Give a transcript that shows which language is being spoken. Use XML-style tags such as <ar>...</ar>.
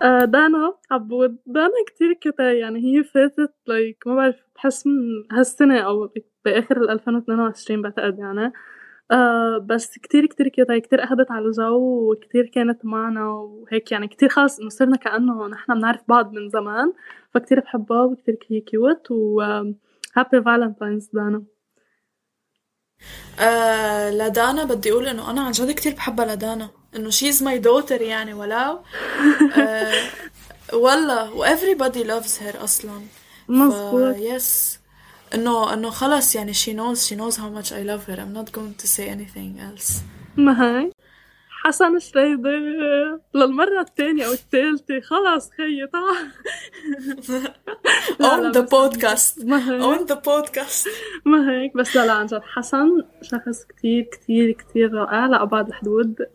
<ar>دانا عبود، دانا كتير كده يعني، هي فاتت like ما بعرف بحس من هالسنة أو بآخر 2022 بعتقد يعني، بس كتير كتير كده، كتير أخذت على الجو وكتير كانت معنا وهيك يعني، كتير خلاص إنه صرنا كأنه نحنا بنعرف بعض من زمان، فكتير بحبها وكتير هي كيوت، و</ar> <en>happy valentines</en> <ar>دانا. لدانا بدي أقول إنه أنا عن جد كتير بحبها لدانا، إنه</ar> <en>she's my daughter</en> <ar>يعني، ولو والله و</ar> <en>everybody loves her</en> <ar>أصلاً. مظبوط.</ar> <en>Yes</en> <ar>إنه خلاص يعني</ar> <en>she knows how much I love her. I'm not going to say anything else.</en> <ar>ما هاي حسن شريدي للمرة الثانية أو الثالثة، خلاص خيي طع. لا on لا</ar> <en>the podcast</en> <ar>ما هيك.</ar> <en>on the podcast</en> <ar>ما هيك بس لا عن جد حسن شخص كتير كتير كتير رائع لأبعد الحدود.</ar>